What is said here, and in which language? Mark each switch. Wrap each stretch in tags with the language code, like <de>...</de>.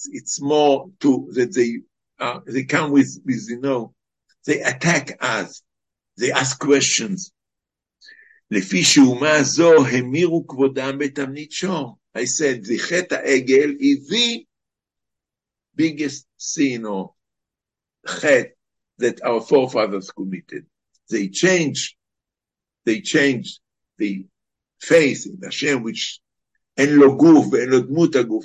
<en>It's more to that they come with you know, they attack us. They ask questions.</en> <he>לפי שאומה זו המירו כבודם בתמנית שור.</he> <en>I said, the חטא העגל is the biggest sin or chet that our forefathers committed. They changed the face in Hashem, which</en> <he>en lo guf ve en lo dmut haguf.</he>